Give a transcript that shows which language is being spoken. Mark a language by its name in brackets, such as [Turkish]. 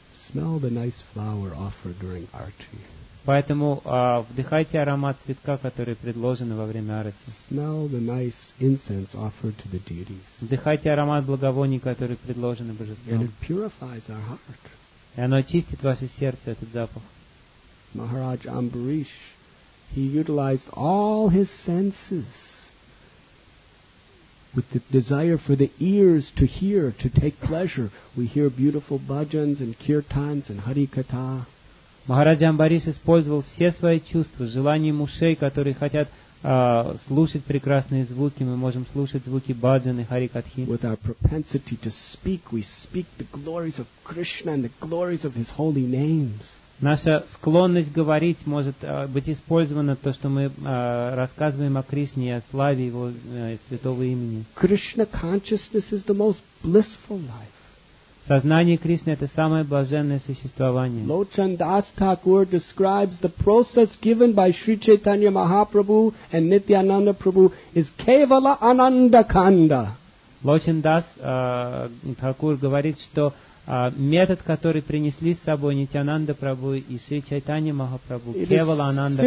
[English] Smell the nice flower offered during arati. [Russian] Поэтому вдыхайте аромат цветка, который предложен во время арати. [English] Smell the nice incense offered to the deities. [Russian] Вдыхайте аромат благовоний, который предложен божеством. [English] And it purifies our heart. [Russian] И оно очистит ваше сердце, этот запах. [English] Maharaj Ambarish, he utilized all his senses with the desire for the ears to hear, to take pleasure. We hear beautiful bhajans and kirtans and harikata. [Russian] Махараджа Амбариш использовал все свои чувства, желание ушей, которые хотят слушать прекрасные звуки. Мы можем слушать звуки баджан и харикатхи. [English] With our propensity to speak, we speak the glories of Krishna and the glories of His holy names. [Russian] Наша склонность говорить может быть использована то, что мы рассказываем о Кришне и о славе Его святого имени. [English] Krishna consciousness is the most blissful life. [Russian] Сознание Кришны — это самое блаженное существование. [English] Lochan Das Thakur describes the process given by Sri Chaitanya Mahaprabhu and Nityananda Prabhu is Kevala Ananda Kanda. [Russian] Lochan Das Thakur говорит, что метод, который принесли с собой Нитьянанда Прабху и Шри Чайтанья Махапрабху, Кевала Ананда